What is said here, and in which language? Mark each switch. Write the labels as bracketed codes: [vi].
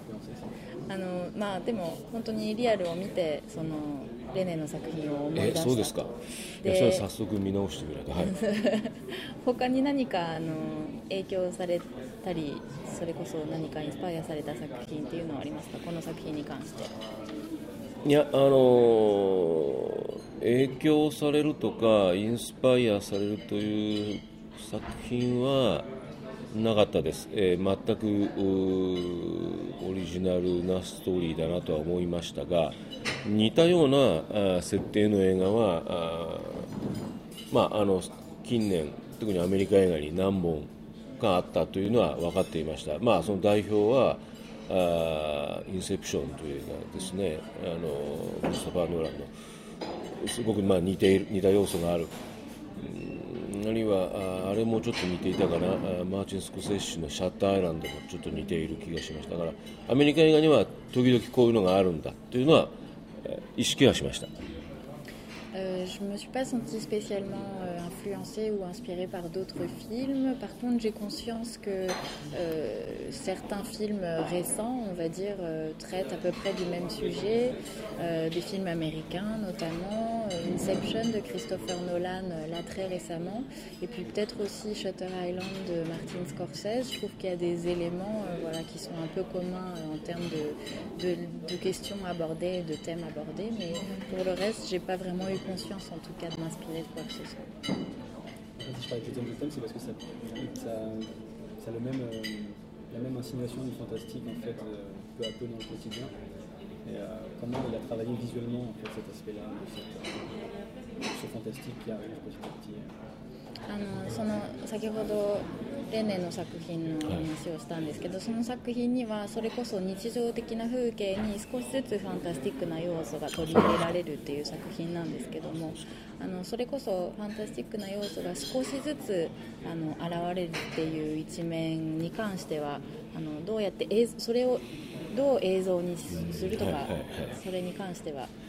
[fr] Mais vraiment, quand on a vu le réel, on a vu René's films. Est-ce que c'est vrai? Je vais commencer à revoir. Est-ce qu'il y a d'autres films qui ont été influencés ou qui ont été inspirés par ce film? Est-ce qu'il y a d'autres films qui ont été [ja] 影響されるとかインスパイアされるという作品はなかったです、全くオリジナルなストーリーだなとは思いましたが、似たような設定の映画は近年特にアメリカ映画に何本かあったというのは分かっていました。まあ、その代表はインセプションという映画ですね、クリストファー・ノーランのすごく、まあ、似た要素がある、あるいはれもちょっと似ていたかな、マーチン・スコセッシのシャッターアイランドもちょっと似ている気がしました。だからアメリカ映画には時々こういうのがあるんだというのは意識はしました。 [fr] Je ne me suis pas sentie spécialement influencée ou inspirée par d'autres films. Par contre, j'ai conscience que certains films récents, on va dire, traitent à peu près du même sujet. Des films américains, notamment Inception de Christopher Nolan, là très récemment. Et puis peut-être aussi Shutter Island de Martin Scorsese. Je trouve qu'il y a des éléments voilà, qui sont un peu communs en termes de questions abordées, de thèmes abordés. Mais pour le reste, je n'ai pas vraiment eu conscience en tout cas de m'inspirer de quoi que ce soit. En fait, si je parle de thème, c'est parce que ça a la même insinuation du fantastique en fait, peu à peu dans le quotidien. Et comment il a travaillé visuellement en fait, cet aspect-là, ce fantastique qui arrive petit à petit. [ja] その先ほどレネの作品の話をしたんですけど、その作品にはそれこそ日常的な風景に少しずつファンタスティックな要素が取り入れられるっていう作品なんですけども、それこそファンタスティックな要素が少しずつ現れるっていう一面に関しては、どうやってそれをどう映像にするとか、それに関しては、